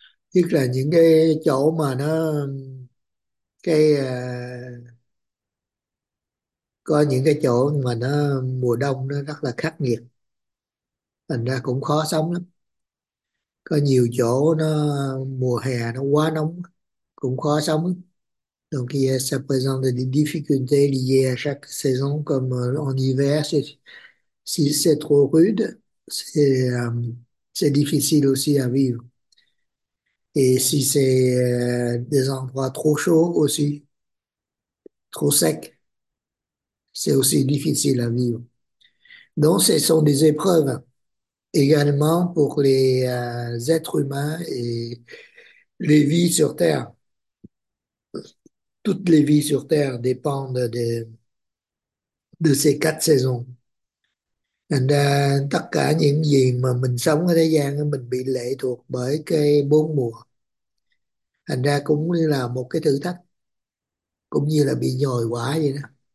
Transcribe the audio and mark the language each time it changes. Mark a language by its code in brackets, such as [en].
[vi] Tức là những cái chỗ mà nó cái có những cái chỗ mà nó mùa đông nó rất là khắc nghiệt, thành ra cũng khó sống lắm. Có nhiều chỗ nó mùa hè nó quá nóng cũng khó sống. [fr] Donc, ça présente des difficultés liées à chaque saison, comme en hiver, si c'est trop rude, c'est difficile aussi à vivre. Et si c'est des endroits trop chauds aussi, trop secs, c'est aussi difficile à vivre. Donc, ce sont des épreuves également pour les êtres humains et les vies sur Terre. Toutes les vies sur Terre dépendent de ces quatre saisons. [vi] Tất cả những gì mà mình sống ở thế gian mình bị lệ thuộc bởi cái bốn mùa. Thành ra cũng như là một cái thử thách, cũng như là bị nhồi quá vậy đó.